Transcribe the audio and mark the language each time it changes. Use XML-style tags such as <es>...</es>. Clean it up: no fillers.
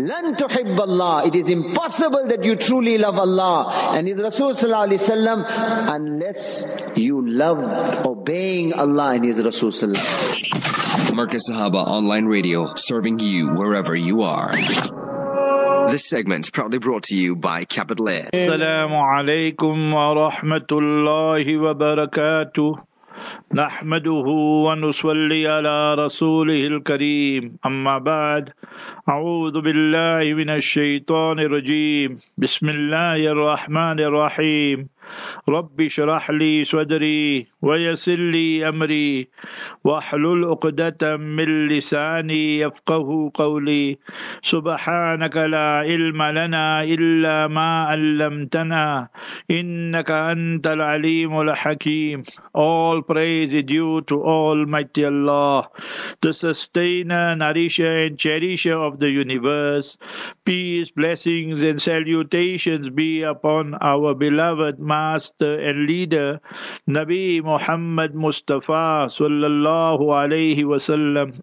<ar>Lan tuhibb Allah.</ar> <en>It is impossible that you truly love Allah and His Rasul sallallahu alaihi wasallam unless you love obeying Allah and His Rasul sallallahu alaihi wasallam. Marcus Sahaba Online Radio, serving you wherever you are. This segment proudly brought to you by Capital Air.</en> <ar>Assalamu alaikum wa rahmatullahi wa barakatuh. نحمده ونصلي على رسوله الكريم أما بعد أعوذ بالله من الشيطان الرجيم بسم الله الرحمن الرحيم رب اشرح لي صدري ويسر لي أمري واحلل عقدة من لساني يفقه قولي سبحانك لا علم لنا إلا ما علمتنا إنك أنت العليم الحكيم.</ar> <en>All praise is due to Almighty Allah, the sustainer, nourisher and cherisher of the universe. Peace, blessings and salutations be upon our beloved Master and leader, Nabi Muhammad Mustafa sallallahu alayhi wa sallam.</en>